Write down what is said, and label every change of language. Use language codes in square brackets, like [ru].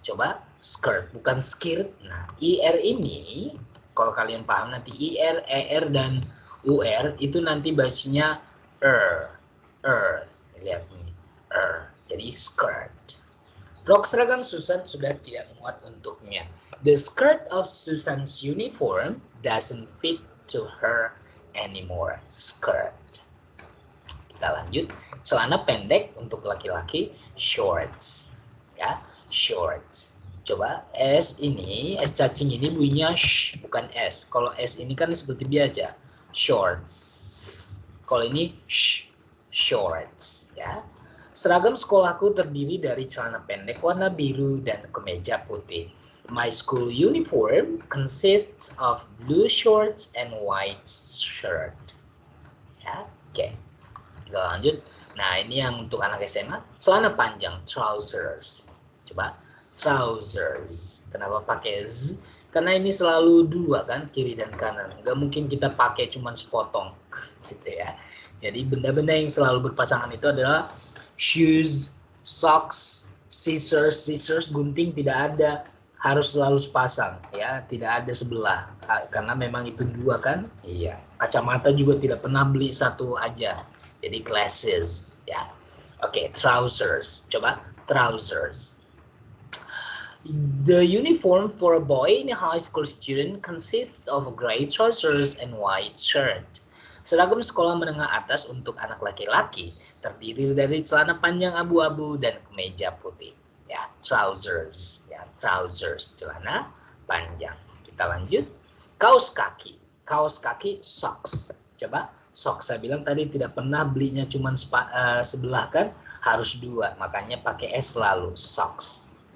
[id] Coba skirt, bukan skirt. Nah, IR ini, kalau kalian paham nanti IR, ER, dan UR, itu nanti bacanya er. Lihat nih, er. Jadi skirt. Rock seragam Susan sudah tidak muat untuknya. [en] The skirt of Susan's uniform doesn't fit to her anymore. [id] Skirt. Kita lanjut, celana pendek untuk laki-laki, shorts, ya, shorts. Coba S ini, S cacing ini bunyinya sh, bukan S. Kalau S ini kan seperti biasa, shorts. Kalau ini sh, shorts, ya. Seragam sekolahku terdiri dari celana pendek warna biru dan kemeja putih. [en] My school uniform consists of blue shorts and white shirt. [id] Oke. Kita lanjut. Nah, ini yang untuk anak SMA. Celana panjang, trousers. Coba, trousers. Kenapa pakai z? Karena ini selalu dua kan, kiri dan kanan. Nggak mungkin kita pakai cuma sepotong. Gitu ya. Jadi, benda-benda yang selalu berpasangan itu adalah shoes, socks, scissors. Scissors, gunting, tidak ada. Harus selalu sepasang, ya. Tidak ada sebelah. Karena memang itu dua kan. Iya. Kacamata juga tidak pernah beli satu aja. Jadi glasses, ya. Oke, trousers. Coba trousers. [en] The uniform for a boy in a high school student consists of gray trousers and white shirt. [id] Seragam sekolah menengah atas untuk anak laki-laki terdiri dari celana panjang abu-abu dan kemeja putih. Ya, trousers. Ya, trousers, celana panjang. Kita lanjut. Kaos kaki. Kaos kaki, socks. Coba. Sok, saya bilang tadi tidak pernah belinya cuma sebelah kan, harus dua, makanya pakai S selalu, socks.